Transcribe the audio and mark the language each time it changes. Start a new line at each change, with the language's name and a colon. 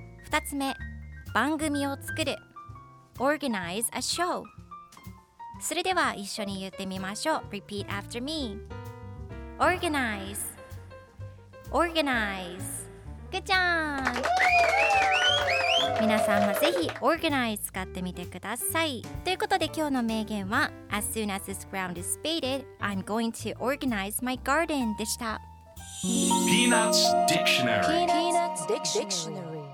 Japanese: 2つ目、番組を作る、
English: Organize a show。
Japanese: それでは一緒に言ってみましょう。
English: Repeat after me. Organize. Organize. Good job!
Japanese: 皆さんもぜひ Organize 使ってみてください。ということで今日の名言は
English: As soon as this ground is spaded, I'm going to organize my garden
Japanese: でした。ピーナッツ・ディクショナリー。ピーナッツ・ディクショナリー。